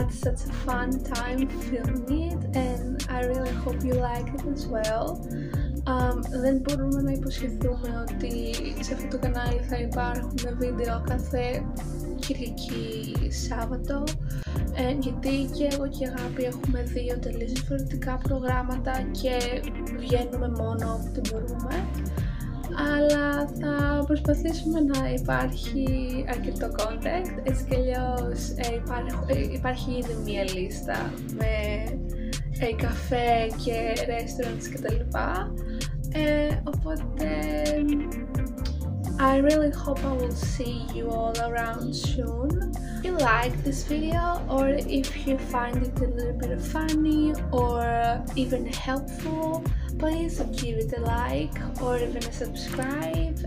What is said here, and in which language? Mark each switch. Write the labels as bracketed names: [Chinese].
[English] Such a fun time filming it, and I really hope you like it as well. [Greek] Δεν μπορούμε να υποσχεθούμε ότι σε αυτό το κανάλι θα υπάρχουν βίντεο κάθε Κυριακή Σάββατο, γιατί και εγώ και η Αγάπη έχουμε δύο τελείως διαφορετικά προγράμματα και βγαίνουμε μόνο όποτε μπορούμε. Αλλά θα προσπαθήσουμε να υπάρχει αρκετό contact, έτσι κι αλλιώς υπάρχει ήδη μία λίστα με καφέ και restaurants κτλ. [English] Οπότε, I really hope I will see you all around soon. If you like this video, or if you find it a little bit funny or even helpful, please give it a like or even a subscribe.